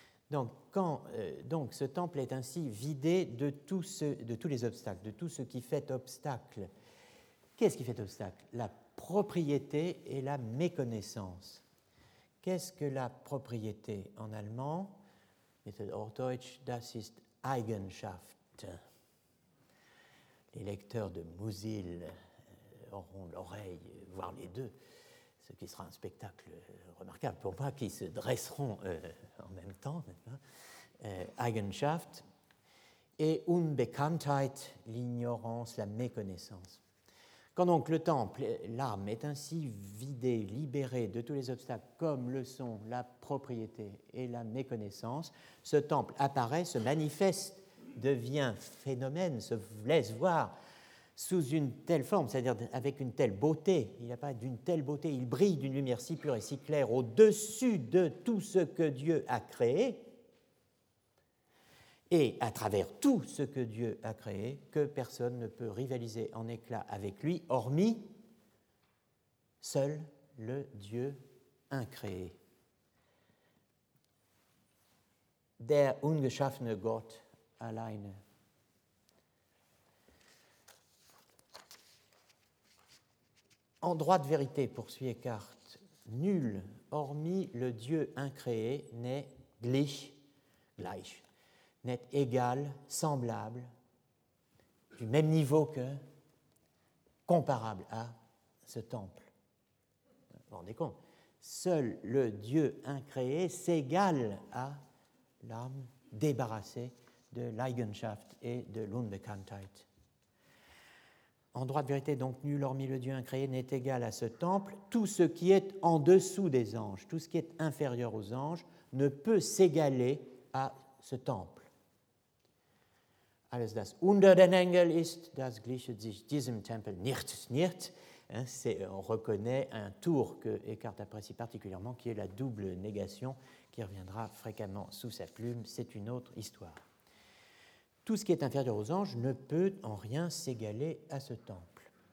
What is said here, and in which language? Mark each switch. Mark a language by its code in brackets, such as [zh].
[fr] Donc, quand ce temple est ainsi vidé de tous les obstacles, de tout ce qui fait obstacle, qu'est-ce qui fait obstacle? La propriété et la méconnaissance. Qu'est-ce que la propriété en allemand? [de] Mittelhochdeutsch, das ist Eigenschaft. [fr] Les lecteurs de Musil auront l'oreille, voire les deux, ce qui sera un spectacle remarquable pour moi, qui se dresseront en même temps. Eigenschaft et Unbekanntheit, l'ignorance, la méconnaissance. Quand donc le temple, l'âme, est ainsi vidée, libérée de tous les obstacles, comme le sont la propriété et la méconnaissance, ce temple apparaît, se manifeste, devient phénomène, se laisse voir sous une telle forme, c'est-à-dire avec une telle beauté. Il apparaît d'une telle beauté, il brille d'une lumière si pure et si claire au-dessus de tout ce que Dieu a créé et à travers tout ce que Dieu a créé que personne ne peut rivaliser en éclat avec lui, hormis seul le Dieu incréé. [de] Der ungeschaffene Gott alleine. [fr] En droit de vérité, poursuit Eckhart, nul hormis le Dieu incréé n'est gleich, n'est égal, semblable, du même niveau que, comparable à ce temple. Vous vous rendez compte? Seul le Dieu incréé s'égale à l'âme débarrassée de l'Eigenschaft et de l'Unbekanntheit. En droit de vérité, donc, nul hormis le Dieu incréé n'est égal à ce temple. Tout ce qui est en dessous des anges, tout ce qui est inférieur aux anges, ne peut s'égaler à ce temple. [de] Alles, das unter den Engel ist, das gleicht sich diesem Tempel nicht, nicht. [fr] Hein, c'est, on reconnaît un tour que Eckhart apprécie particulièrement, qui est la double négation, qui reviendra fréquemment sous sa plume. C'est une autre histoire. Tout ce qui est inférieur aux anges ne peut en rien s'égaler à ce temple.